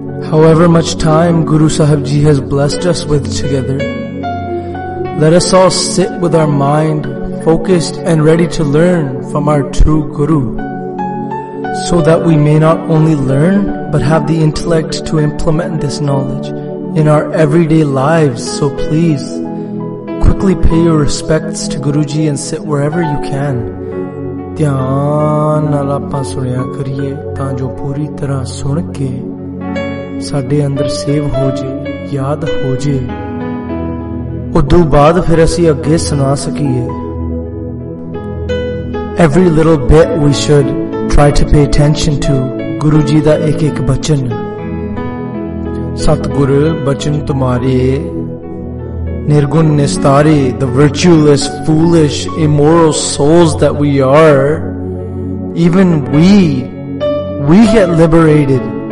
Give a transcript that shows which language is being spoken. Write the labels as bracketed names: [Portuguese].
[English] However much time Guru Sahib Ji has blessed us with together, let us all sit with our mind focused and ready to learn from our true Guru, so that we may not only learn but have the intellect to implement this knowledge in our everyday lives. So please, quickly pay your respects to Guru Ji and sit wherever you can. [Punjabi] ਧਿਆਨ ਨਾਲ ਆਪਾਂ ਸੁਣਿਆ ਕਰੀਏ ਤਾਂ ਜੋ ਪੂਰੀ ਤਰ੍ਹਾਂ ਸੁਣ ਕੇ ਸਾਡੇ ਅੰਦਰ ਸੇਵ ਹੋ ਜੇ, ਯਾਦ ਹੋ ਜੇ, ਉਦੋਂ ਬਾਅਦ ਫਿਰ ਅਸੀਂ ਅੱਗੇ ਸੁਣਾ ਸਕੀਏ। [English] Every little bit we should try to pay attention to Guru Ji [Punjabi] ਦਾ ਇੱਕ ਇੱਕ ਬਚਨ। ਸਤਿਗੁਰ ਬਚਨ ਤੁਮਾਰੇ, ਨਿਰਗੁਣ ਨਿਸਤਾਰੇ, [English] the virtueless, foolish, immoral souls that we are, even we get liberated.